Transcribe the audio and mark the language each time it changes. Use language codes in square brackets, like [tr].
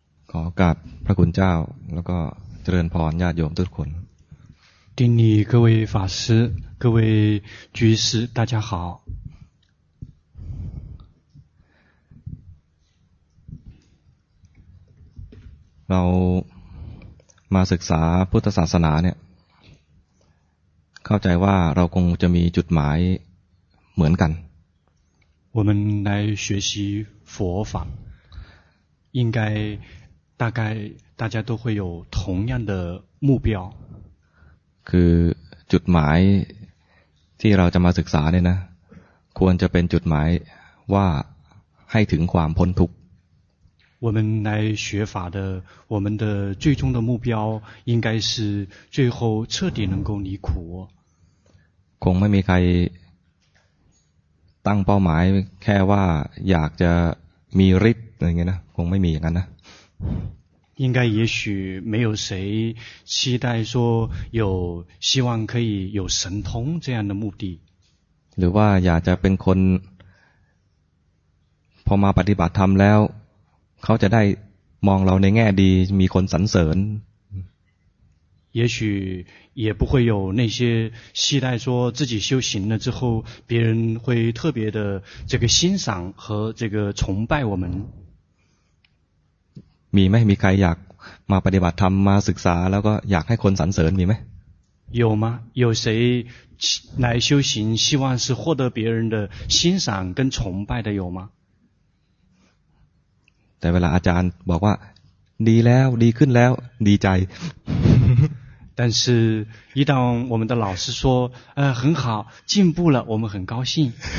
[th] ขอกราบพระคุณเจ้าแล้วก็เจริญพรญาติโยมทุกคน [zh] ดินี各位法师各位居士大家好 [th] เรามาศึกษาพุทธศาสนาเนี่ยเข้าใจว่าเราคงจะมีจุดหมายเหมือนกัน [zh] 我们来学习佛法应该大概大家都会有同样的目标 [th] คือจุดหมายที่เราจะมาศึกษาเนี่ยนะควรจะเป็นจุดหมายว่าให้ถึงความพ้นทุกข์ [zh] 我们来学法的我们的最终的目标应该是最后彻底能够离苦 [th] คงไม่มีใครตั้งเป้าหมายแค่ว่าอยากจะมีฤทธิ์อะไรเงี้ยนะคงไม่มีอย่างนั้นนะ [zh] 应该也许没有谁期待说有希望可以有神通这样的目的 [th] หรือว่าอยากจะเป็นคนพอมาปฏิบัติธรรมแล้วเขาจะได้มองเราในแง่ดีมีคนสรรเสริญ [zh] 也许也不会有那些期待说自己修行了之后别人会特别的这个欣赏和这个崇拜我们 [th] มีไหมมีใครอยากมาปฏิบัติธรรมมาศึกษาแล้วก็อยากให้คนสรรเสริญมีไหม [zh] 有吗有谁来修行希望是获得别人的欣赏跟崇拜的有吗 [th] แต่เวลาอาจารย์บอกว่าดีแล้วดีขึ้นแล้วดีใจ [zh] 但是一旦我们的老师说很好进步了我们很高兴